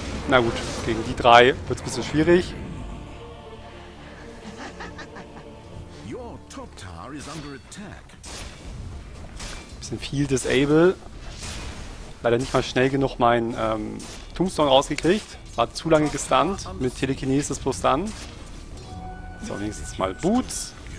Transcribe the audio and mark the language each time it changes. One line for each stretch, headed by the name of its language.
German: Na gut, gegen die drei wird es ein bisschen schwierig.
English: Your top tower is under attack.
German: Viel Disable. Leider nicht mal schnell genug mein Tombstone rausgekriegt. War zu lange gestunt mit Telekinesis plus dann. So, nächstes Mal Boots.